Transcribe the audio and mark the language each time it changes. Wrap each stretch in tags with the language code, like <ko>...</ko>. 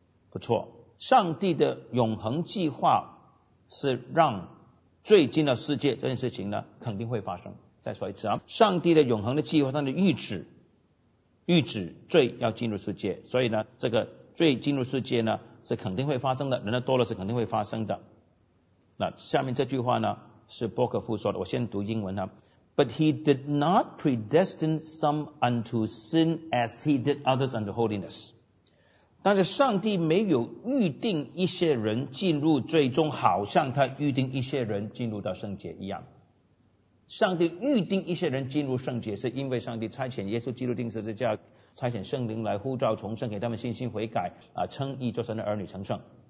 <zh>不错，上帝的永恒计划是让罪进了世界，这件事情呢肯定会发生。再说一次啊，上帝的永恒的计划，上帝预旨罪要进入世界，所以呢这个罪进入世界呢是肯定会发生的，人的堕落是肯定会发生的。那下面这句话呢是伯克夫说的，我先读英文啊。</zh> <en>But he did not predestine some unto sin as he did others unto holiness.</en> <zh>但是上帝没有预定一些人进入最终，好像他预定一些人进入到圣洁一样。上帝预定一些人进入圣洁，是因为上帝差遣耶稣基督钉十字架，差遣圣灵来呼召重生，给他们信心悔改啊，称义做神的儿女成圣。</zh>